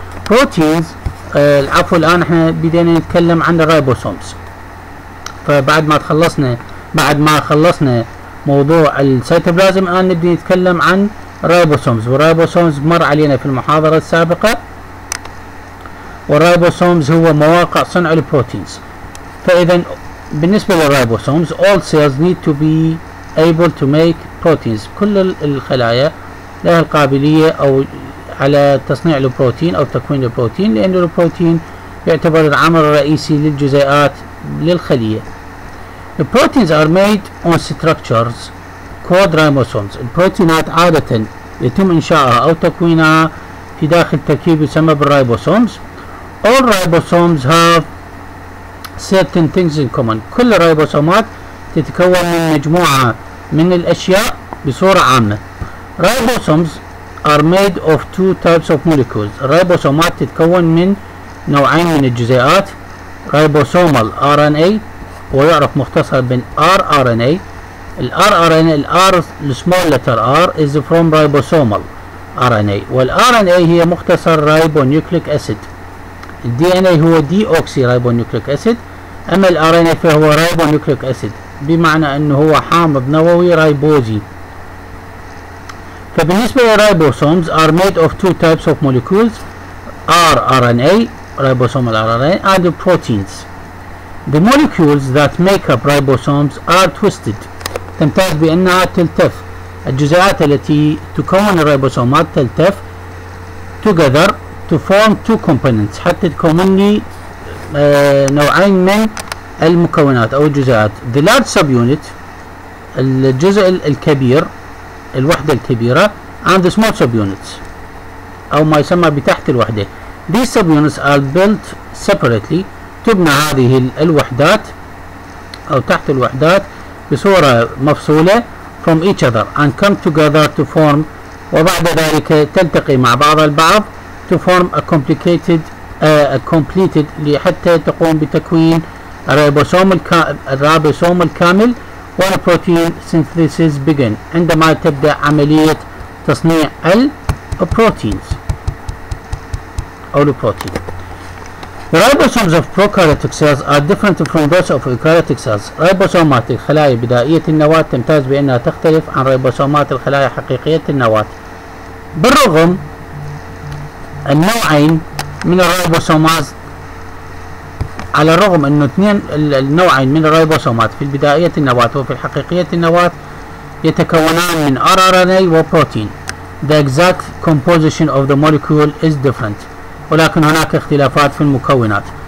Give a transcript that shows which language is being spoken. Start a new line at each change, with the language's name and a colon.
Arabic: Proteins العفو الآن إحنا بدينا نتكلم عن الريبوسومز. فبعد ما تخلصنا موضوع السيتوبلازم الآن نبدأ نتكلم عن الريبوسومز. والريبوسومز مر علينا في المحاضرة السابقة. والريبوسومز هو مواقع صنع البروتينز. فإذا بالنسبة للريبوسومز,
English: all cells need to be able to make proteins.
Arabic: كل الخلايا لها القابلية أو على تصنيع البروتين أو تكوين البروتين, لأن البروتين يعتبر العامل الرئيسي للجزيئات للخلية.
English: The proteins are made on structures called ribosomes.
Arabic: البروتينات عادة يتم إنشاؤها أو تكوينها في داخل تركيب يسمى بالريبوسومز.
English: All ribosomes have certain things in common.
Arabic: كل الريبوسومات تتكون من مجموعة من الأشياء بصورة عامة.
English: Ribosomes are made of two types of molecules.
Arabic: الريبوسومات تتكون من نوعين من الجزيئات. Ribosomal RNA ويعرف مختصر بين rRNA.
English: ال rRNA, ال r small letter r is from ribosomal RNA,
Arabic: وال rRNA هي مختصر
English: ribonucleic acid.
Arabic: ال DNA هو deoxyribonucleic acid, أما ال rRNA فهو ribonucleic acid بمعنى أنه هو حامض نووي ريبوزي.
English: فبالنسبة للribosomes are made of two types of molecules, rRNA ribosomal RNA and proteins. The molecules that make up ribosomes are twisted.
Arabic: تمتاز بأنها تلتف. الجزيئات التي تكون الريبوسومات تلتف
English: together to form two components.
Arabic: حتى تكون لي نوعين من المكونات أو الجزيئات.
English: The large subunit,
Arabic: الجزء الكبير, الوحدة الكبيرة,
English: and the small subunits,
Arabic: أو ما يسمى بتحت الوحدة.
English: These subunits are built separately.
Arabic: تبنى هذه الوحدات أو تحت الوحدات بصورة مفصولة
English: from each other and come together to form,
Arabic: وبعد ذلك تلتقي مع بعض البعض
English: to form a complicated completed
Arabic: لحتى تقوم بتكوين الريبوسوم الكامل
English: when protein synthesis begin,
Arabic: عندما تبدأ عملية تصنيع البروتينز أو البروتين.
English: The ribosomes of prokaryotic cells are different from those of eukaryotic cells.
Arabic: ريبوسومات الخلايا بدائية النواة تمتاز بأنها تختلف عن ريبوسومات الخلايا حقيقية النواة. بالرغم النوعين من الريبوسومات, على الرغم أن اثنين النوعين من الريبوسومات في بدائية النواة وفي حقيقية النواة يتكونان من rRNA وبروتين.
English: The exact composition of the molecule is different.
Arabic: ولكن هناك اختلافات في المكونات.